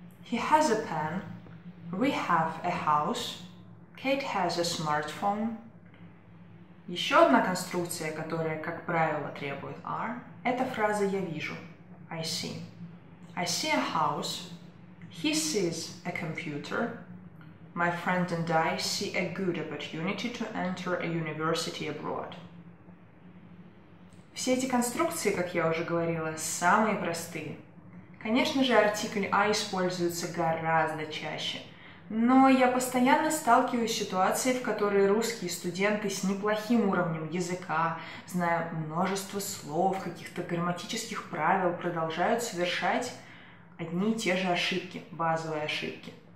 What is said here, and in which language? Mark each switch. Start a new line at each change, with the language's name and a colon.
English: He has a pen. We have a house. Kate has a smartphone.
Russian: Еще одна конструкция, которая, как правило, требует «are», это фраза «я вижу».
English: I see. I see a house. He sees a computer. My friend and I see a good opportunity to enter a university abroad.
Russian: Все эти конструкции, как я уже говорила, самые простые. Конечно же, артикль I используется гораздо чаще. Но я постоянно сталкиваюсь с ситуацией, в которой русские студенты с неплохим уровнем языка, зная множество слов, каких-то грамматических правил, продолжают совершать одни и те же ошибки, базовые ошибки.